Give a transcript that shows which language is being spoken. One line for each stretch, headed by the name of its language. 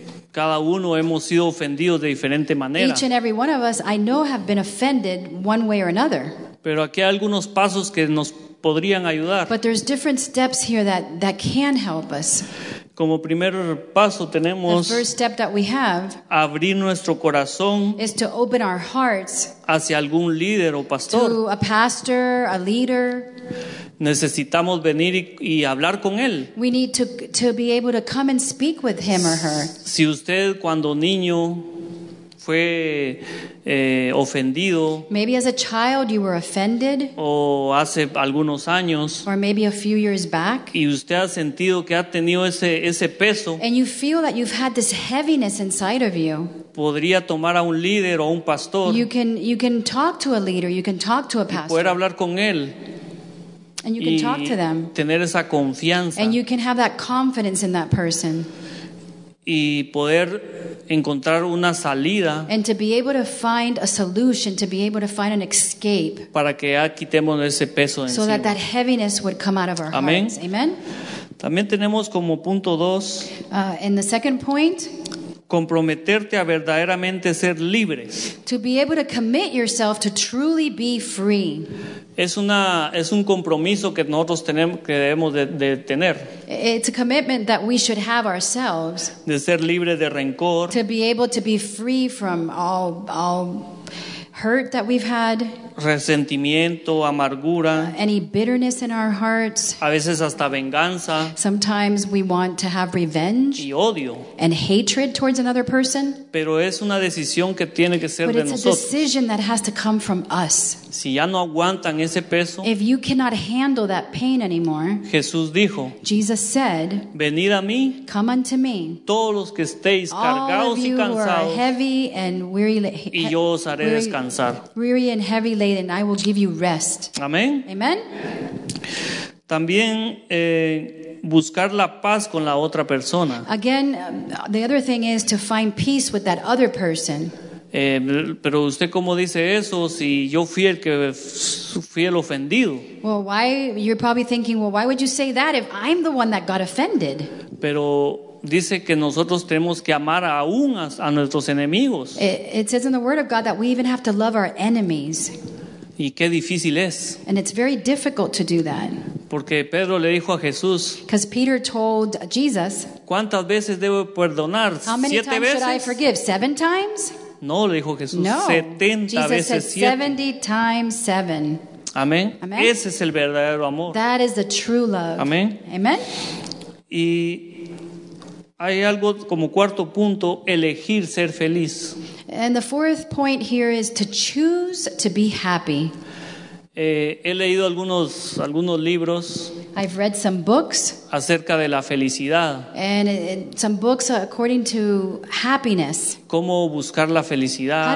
Spanish: Cada uno hemos sido ofendidos de diferente manera.
English: Each and every one of us, I know, have been offended one way or another.
Spanish: Pero aquí hay algunos pasos que nos podrían ayudar.
English: But there's different steps here that can help us.
Spanish: Como primer paso tenemos
English: the first step that we have
Spanish: abrir nuestro corazón
English: is to open our hearts
Spanish: hacia algún líder o pastor.
English: To a pastor, a leader.
Spanish: Necesitamos venir y hablar con él.
English: We need to be able to come and speak with him or her.
Spanish: Si usted cuando niño fue ofendido.
English: Maybe as a child you were offended.
Spanish: O hace algunos años.
English: Or maybe a few years back.
Spanish: Y usted ha sentido que ha tenido ese peso.
English: And you feel that you've had this heaviness inside of you.
Spanish: Podría tomar a un líder o un pastor.
English: You can talk to a leader. You can talk to a pastor.
Spanish: Y poder hablar con él.
English: And you can talk to them.
Spanish: Tener esa confianza.
English: And you can have that confidence in that person.
Spanish: Y poder encontrar una salida.
English: And to be able to find a solution, to be able to find an escape.
Spanish: Para que ya quitemos ese peso encima.
English: So that heaviness would come out of our
Spanish: amén.
English: Hearts. Amen.
Spanish: También tenemos como punto dos.
English: In the second point.
Spanish: Comprometerte a verdaderamente ser libres.
English: To be able to commit yourself to truly be free.
Spanish: Es un compromiso que nosotros tenemos que debemos de tener.
English: It's a commitment that we should have ourselves.
Spanish: De ser libre de rencor.
English: To be able to be free from all hurt that we've had.
Spanish: Resentimiento, amargura.
English: Any bitterness in our hearts.
Spanish: A veces hasta venganza.
English: Sometimes we want to have revenge.
Spanish: Y odio.
English: And hatred towards another person.
Spanish: Pero es una decisión que tiene que ser
English: but
Spanish: de
English: it's
Spanish: nosotros.
English: A decision that has to come from us.
Spanish: Si ya no aguantan ese peso.
English: If you cannot handle that pain anymore.
Spanish: Jesús dijo.
English: Jesus said.
Spanish: Venid a mí.
English: Come unto me.
Spanish: Todos los que estéis cargados y cansados.
English: All of you who are heavy and weary.
Spanish: Y yo os haré descansar.
English: Weary and heavy laden, I will give you rest.
Spanish: Amen.
English: Amen.
Spanish: También buscar la paz con la otra persona.
English: Again, the other thing is to find peace with that other person.
Spanish: Pero usted cómo dice eso si yo fui el ofendido.
English: Well, why you're probably thinking, well, why would you say that if I'm the one that got offended?
Spanish: Pero dice que nosotros tenemos que amar aún a nuestros enemigos.
English: It says in the word of God that we even have to love our enemies.
Spanish: Y qué difícil es.
English: And it's very difficult to do that.
Spanish: Porque Pedro le dijo a Jesús.
English: Because Peter told Jesus.
Spanish: ¿Cuántas veces debo perdonar?
English: How many
Spanish: ¿siete
English: times
Spanish: veces?
English: Should I forgive? Seven times?
Spanish: No, le dijo Jesús.
English: No. 70 Jesus
Spanish: veces
English: said 70
Spanish: siete.
English: Times seven.
Spanish: Amén.
English: Amen.
Spanish: Ese es el verdadero amor.
English: That is the true love.
Spanish: Amén.
English: Amen.
Spanish: Y hay algo como cuarto punto, elegir ser feliz.
English: And the fourth point here is to choose to be happy.
Spanish: He leído algunos libros.
English: I've read some books.
Spanish: Acerca de la felicidad.
English: And some books according to happiness.
Spanish: Cómo buscar la felicidad.